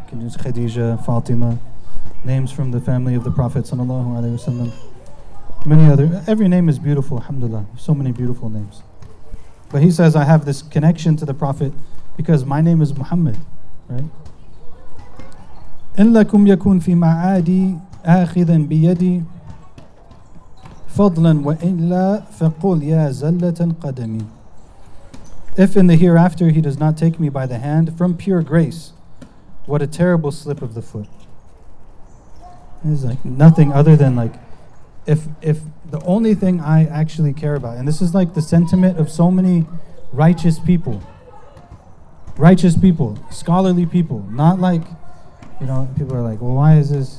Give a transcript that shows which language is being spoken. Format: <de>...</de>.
<en>You can use Khadija, Fatima, names from the family of the Prophet, sallallahu alayhi wa sallam. Many other, every name is beautiful, alhamdulillah. So many beautiful names. But he says, I have this connection to the Prophet because my name is Muhammad, right?</en> <ar>إن لكم يكون في معادي آخذا بيدي فضلا وإلا فقل يا زلة قدمي.</ar> <en>If in the hereafter he does not take me by the hand from pure grace, what a terrible slip of the foot. It's like nothing other than like, if the only thing I actually care about, and this is like the sentiment of so many righteous people, scholarly people, not like, you know, people are like, well, why is this?</en>